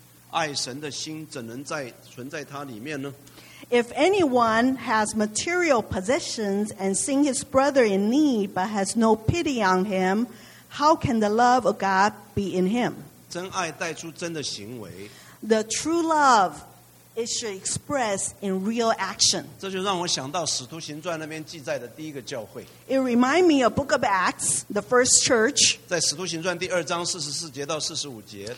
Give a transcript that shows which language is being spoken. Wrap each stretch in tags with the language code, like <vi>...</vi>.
<zh>凡有世上财物的，看见弟兄穷乏，却塞住怜悯的心，爱神的心怎能存在他里面呢？</zh> <en>If anyone has material possessions and sees his brother in need but has no pity on him, how can the love of God be in him?</en> <zh>真爱带出真的行为。</zh> <en>The true love it should express in real action.</en> <zh>这就让我想到《使徒行传》那边记载的第一个教会。</zh> <en>It reminds me of Book of Acts, the first church.</en> <zh>在《使徒行传》第二章44节到45节。</zh>